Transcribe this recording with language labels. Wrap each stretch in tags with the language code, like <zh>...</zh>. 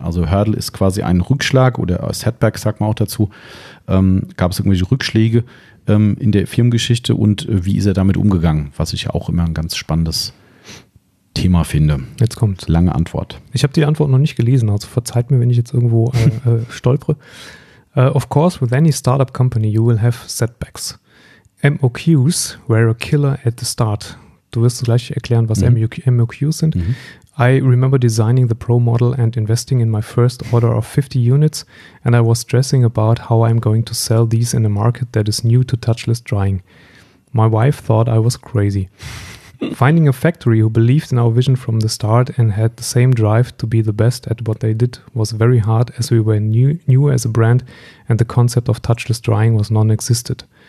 <de>Also Hurdle ist quasi ein Rückschlag oder Setback, sagt man auch dazu. Gab es irgendwelche Rückschläge in der Firmengeschichte und wie ist er damit umgegangen? Was ich ja auch immer ein ganz spannendes Thema finde. Jetzt kommt. Lange Antwort. Ich habe die Antwort noch nicht gelesen, also verzeiht mir, wenn ich jetzt irgendwo stolpere.</de> <en>Of course, with any startup company, you will have setbacks. MOQs were a killer at the start.</en> <de>Du wirst gleich erklären, was MOQs sind. Mhm.</de> <en>I remember designing the Pro model and investing in my first order of 50 units and I was stressing about how I'm going to sell these in a market that is new to touchless drying. My wife thought I was crazy. Finding a factory who believed in our vision from the start and had the same drive to be the best at what they did was very hard as we were new as a brand and the concept of touchless drying was non-existent.</en>